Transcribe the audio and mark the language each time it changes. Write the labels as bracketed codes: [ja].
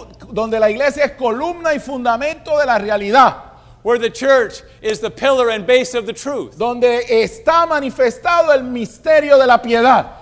[es] Donde la iglesia es columna y fundamento de la realidad. [en] Where the church is the pillar and base of the truth. [es] Donde está manifestado el misterio de la piedad.